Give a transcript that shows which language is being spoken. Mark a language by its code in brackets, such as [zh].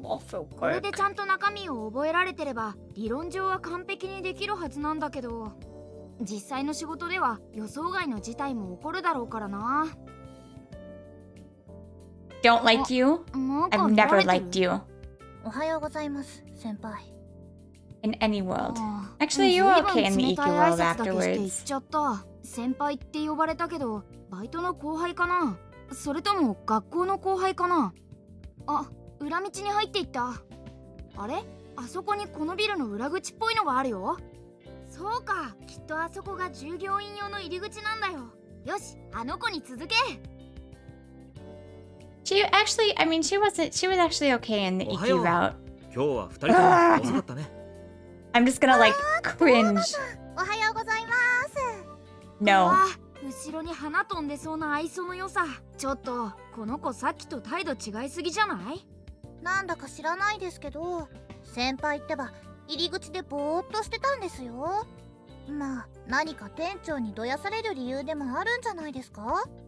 [ja] これでちゃんと中身を覚えられてれば、理論上は完璧にできるはずなんだけど、実際の仕事では予想外の事態も起こるだろうからな。 [en] Don't like you? I've never liked you. [ja] おはようございます、先輩。 [en] In any world. Actually, you're okay in the Iki world afterwards. [ja] 言っちゃった。先輩って呼ばれたけど、バイトの後輩かな？それとも学校の後輩かな？あ、裏道に入っていった。あれ？あそこにこのビルの裏口っぽいのがあるよ。そうか、きっとあそこが従業員用の入り口なんだよ。よし、あの子に続け。 [en] She actually, I mean, she was actually okay in the Iki route. [ja] 今日は二人とも遅かったね。 [en] I'm just gonna like cringe. [ja] おはようございます。 [en] No. [ja] 後ろに花飛んでそうな愛想の良さ。ちょっと、この子さっきと態度違いすぎじゃない？なんだか知らないですけど、先輩ってば入り口でぼーっとしてたんですよ。まあ、何か店長にどやされる理由でもあるんじゃないですか？